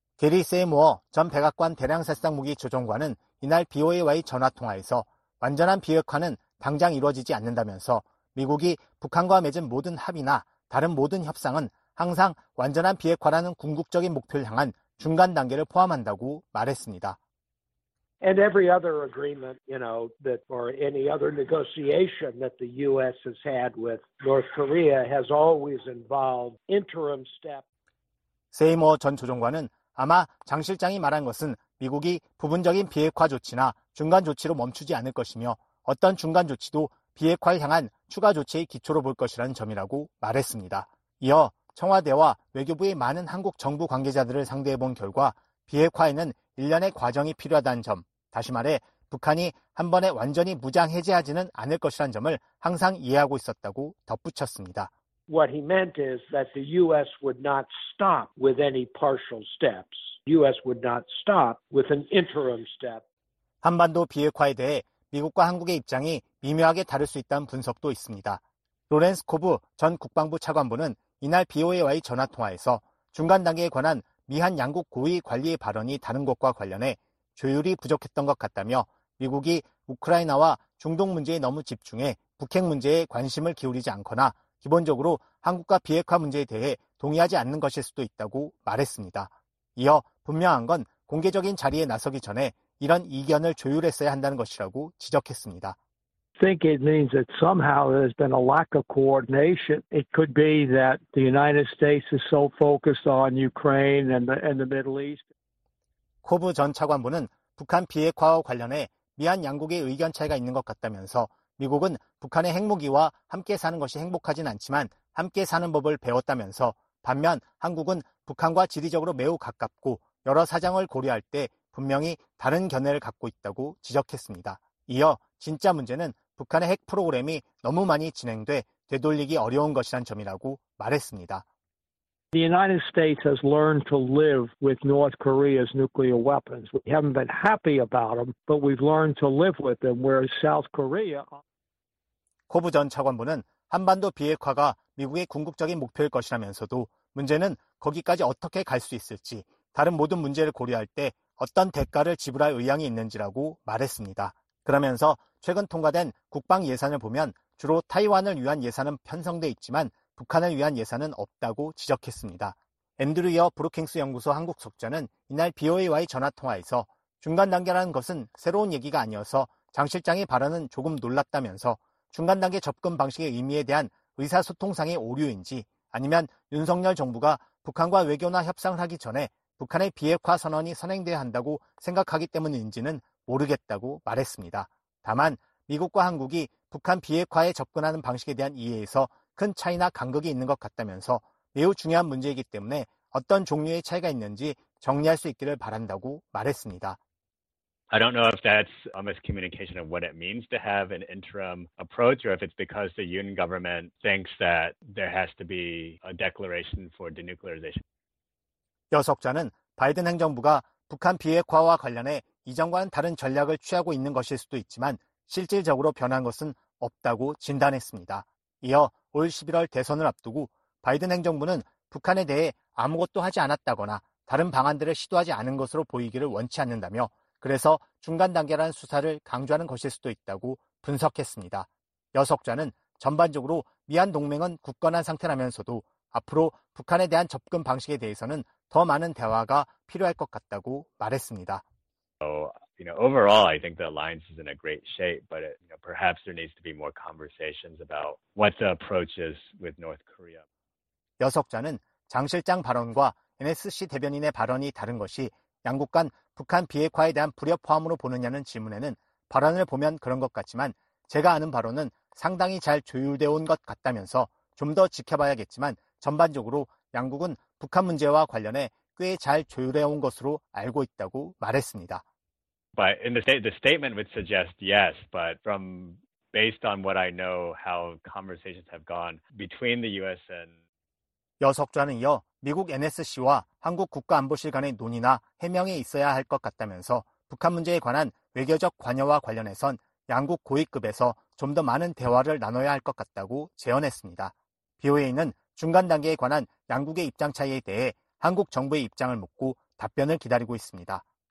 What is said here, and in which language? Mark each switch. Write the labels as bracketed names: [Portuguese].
[Korean] 게리 세이모어 전 백악관 대량살상무기 조정관은 이날 BOA와의 전화통화에서 완전한 비핵화는 당장 이루어지지 않는다면서 미국이 북한과 맺은 모든 합의나 다른 모든 협상은 항상 완전한 비핵화라는 궁극적인 목표를 향한 중간 단계를 포함한다고 말했습니다. [English] And every other agreement, you know, that or any other negotiation that the U.S. has had with North Korea has always involved interim steps. [Korean] 세이머 전 조정관은 아마 장 실장이 말한 것은 미국이 부분적인 비핵화 조치나 중간 조치로 멈추지 않을 것이며 어떤 중간 조치도 비핵화를 향한 추가 조치의 기초로 볼 것이라는 점이라고 말했습니다. 이어 청와대와 외교부의 많은 한국 정부 관계자들을 상대해 본 결과 비핵화에는 일련의 과정이 필요하다는 점, 다시 말해 북한이 한 번에 완전히 무장해제하지는 않을 것이라는 점을 항상 이해하고 있었다고 덧붙였습니다. [English] What he meant is that the U.S. would not stop with any partial steps. US would not stop with an interim step. [Korean] 한반도 비핵화에 대해 미국과 한국의 입장이 미묘하게 다를 수 있다는 분석도 있습니다. 로렌스 코브 전 국방부 차관보는 이날 BOA와의 전화통화에서 중간 단계에 관한 미한 양국 고위 관리의 발언이 다른 것과 관련해 조율이 부족했던 것 같다며 미국이 우크라이나와 중동 문제에 너무 집중해 북핵 문제에 관심을 기울이지 않거나 기본적으로 한국과 비핵화 문제에 대해 동의하지 않는 것일 수도 있다고 말했습니다. 이어 분명한 건 공개적인 자리에 나서기 전에 이런 이견을 조율했어야 한다는 것이라고 지적했습니다. [English] I think it means that somehow there's been a lack of coordination. It could be that the United States is so focused on Ukraine and the Middle East. [Korean] 코브 전 차관보는 북한 비핵화와 관련해 미한 양국의 의견 차이가 있는 것 같다면서 미국은 북한의 핵무기와 함께 사는 것이 행복하진 않지만 함께 사는 법을 배웠다면서 반면 한국은 북한과 지리적으로 매우 가깝고 여러 사정을 고려할 때 분명히 다른 견해를 갖고 있다고 지적했습니다. 이어 진짜 문제는 북한의 핵 프로그램이 너무 많이 진행돼 되돌리기 어려운 것이란 점이라고 말했습니다. [English] The United States has learned to live with North Korea's nuclear weapons. We haven't been happy about them, but we've learned to live with them, whereas South Korea... [Korean] 코브 전 차관보는 한반도 비핵화가 미국의 궁극적인 목표일 것이라면서도 문제는 거기까지 어떻게 갈 수 있을지, 다른 모든 문제를 고려할 때 어떤 대가를 지불할 의향이 있는지라고 말했습니다. 그러면서 최근 통과된 국방 예산을 보면 주로 타이완을 위한 예산은 편성돼 있지만 북한을 위한 예산은 없다고 지적했습니다. 앤드류 이어 브루킹스 연구소 한국 석좌는 이날 BOA와의 전화통화에서 중간 단계라는 것은 새로운 얘기가 아니어서 장 실장의 발언은 조금 놀랐다면서 중간 단계 접근 방식의 의미에 대한 의사소통상의 오류인지 아니면 윤석열 정부가 북한과 외교나 협상을 하기 전에 북한의 비핵화 선언이 선행돼야 한다고 생각하기 때문인지는 모르겠다고 말했습니다. 다만 미국과 한국이 북한 비핵화에 접근하는 방식에 대한 이해에서 큰 차이나 간극이 있는 것 같다면서 매우 중요한 문제이기 때문에 어떤 종류의 차이가 있는지 정리할 수 있기를 바란다고 말했습니다. [English] I don't know if that's a miscommunication of what it means to have an interim approach or if it's because the Yoon government thinks that there has to be a declaration for denuclearization. [Korean] 여석자는 바이든 행정부가 북한 비핵화와 관련해 이전과는 다른 전략을 취하고 있는 것일 수도 있지만 실질적으로 변한 것은 없다고 진단했습니다. 이어 올 11월 대선을 앞두고 바이든 행정부는 북한에 대해 아무것도 하지 않았다거나 다른 방안들을 시도하지 않은 것으로 보이기를 원치 않는다며 그래서 중간 단계라는 수사를 강조하는 것일 수도 있다고 분석했습니다. 여석자는 전반적으로 미한 동맹은 굳건한 상태라면서도 앞으로 북한에 대한 접근 방식에 대해서는 더 많은 대화가 필요할 것 같다고 말했습니다. [English] You know, overall, I think the alliance is in a great shape, but it, you know, perhaps there needs to be more conversations about what the approach is with North Korea. [Korean] 여석자는 장 실장 발언과 NSC 대변인의 발언이 다른 것이 양국 간 북한 비핵화에 대한 불협 포함으로 보느냐는 질문에는 발언을 보면 그런 것 같지만 제가 아는 바로는 상당히 잘 조율되어 온 것 같다면서 좀 더 지켜봐야겠지만 전반적으로 양국은 북한 문제와 관련해 꽤 잘 조율해 온 것으로 알고 있다고 말했습니다. [English] But in the statement would suggest yes, but from based on what I know how conversations have gone between the US and [Korean] 여석좌는 이어 미국 NSC와 한국 국가안보실 간의 논의나 해명이 있어야 할 것 같다면서 북한 문제에 관한 외교적 관여와 관련해선 양국 고위급에서 좀 더 많은 대화를 나눠야 할 것 같다고 제언했습니다. BOA는 중간 단계에 관한 양국의 입장 차이에 대해 한국 정부의 입장을 묻고 답변을 기다리고 있습니다.